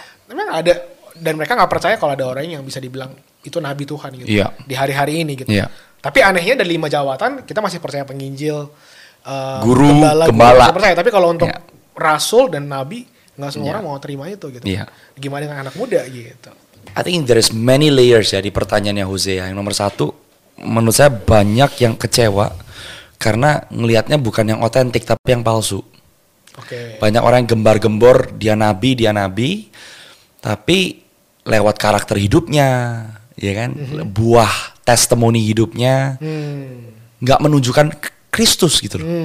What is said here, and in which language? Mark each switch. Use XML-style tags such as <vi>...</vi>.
<id>Memang ada, dan mereka gak percaya kalau ada orang yang bisa dibilang itu nabi Tuhan gitu. Di hari-hari ini gitu. Tapi anehnya dari 5 jawatan, kita masih percaya penginjil, guru, gembala. Percaya. Tapi kalau untuk rasul dan nabi, gak semua orang mau terima itu gitu. Gimana dengan anak muda gitu.</id> <en>I think there is many layers ya</en> <id>di pertanyaannya</id> <en>Hosea.</en> <id>Yang nomor satu, menurut saya banyak yang kecewa karena ngelihatnya bukan yang otentik tapi yang palsu. Banyak orang yang gembar-gembor dia nabi, tapi lewat karakter hidupnya, ya kan, buah testimoni hidupnya, nggak menunjukkan Kristus gitu loh.</id>